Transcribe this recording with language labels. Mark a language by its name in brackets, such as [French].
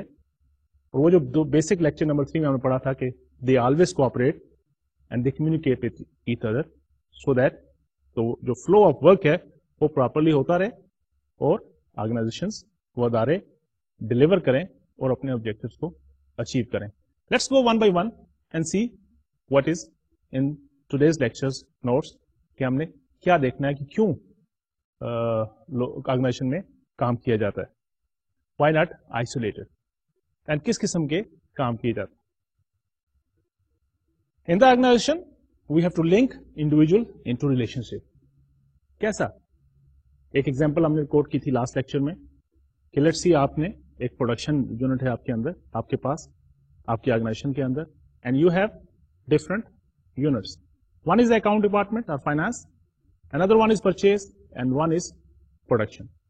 [Urdu] اور وہ جو دو بیسک لیکچر نمبر 3 میں ہم نے پڑھا تھا کہ [English] they always cooperate and they communicate with each other so that, [Urdu] تو جو فلو آف ورک ہے وہ پراپرلی ہوتا رہے اور آرگنائزیشنس وہ ادارے ڈلیور کریں اور اپنے آبجیکٹیوز کو اچیو کریں. [English] Let's go one by one and see what is in today's lecture's notes. [Urdu] کہ ہم نے کیا دیکھنا ہے کہ کیوں آرگنائزیشن میں کام کیا جاتا ہے, [English] why not isolated [Urdu] and کس قسم کے کام کیے جاتے ہیں. [English] In the organization we have to link individual into relationship. [Urdu] کیسا, ایک example ہم نے کوٹ کی تھی last lecture میں کہ [English] let's see [Urdu] آپ نے ایک production unit ہے آپ کے اندر, آپ کے پاس آپ کی آرگنائزیشن کے اندر, [English] And you have different units. One is account department اور finance, اندر one is purchase and one is production.